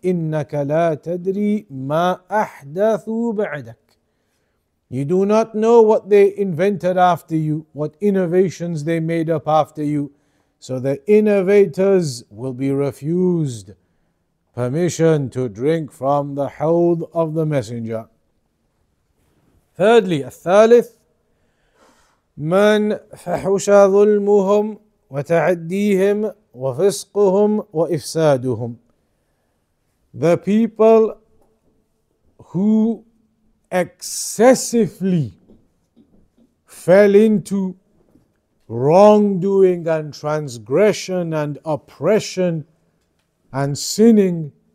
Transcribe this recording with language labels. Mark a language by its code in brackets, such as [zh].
[ar] إِنَّكَ لَا تَدْرِي مَا أَحْدَثُوا بَعْدَكَ. [en] You do not know what they invented after you, what innovations they made up after you. So the innovators will be refused permission to drink from the hold of the messenger. Thirdly, [ar] الثالث, مَنْ فَحُشَ ظُلْمُهُمْ وَتَعَدِّيهِمْ وَفِسْقُهُمْ وَإِفْسَادُهُمْ. [en] The people who excessively fell into wrongdoing and transgression and oppression and sinning